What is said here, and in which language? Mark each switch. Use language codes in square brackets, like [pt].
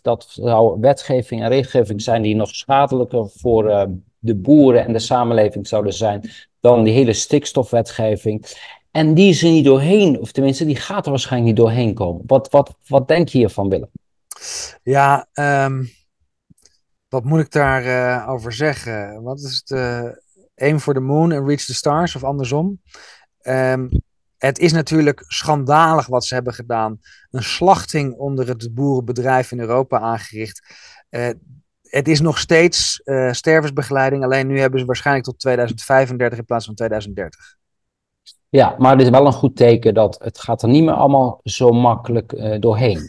[nl] Dat zou wetgeving en regelgeving zijn die nog schadelijker voor de boeren en de samenleving zouden zijn dan die hele stikstofwetgeving. En die is er niet doorheen, of tenminste, die gaat er waarschijnlijk niet doorheen komen. Wat denk je hiervan, Willem? Ja, wat moet ik daar over zeggen? Wat is het? [en] Aim for the moon and reach the stars, [nl] of andersom? Het is natuurlijk schandalig wat ze hebben gedaan. Een slachting onder het boerenbedrijf in Europa aangericht. Het is nog steeds stervensbegeleiding, alleen nu hebben ze waarschijnlijk tot 2035 in plaats van 2030. Ja, maar het is wel een goed teken dat het gaat er niet meer allemaal zo makkelijk doorheen.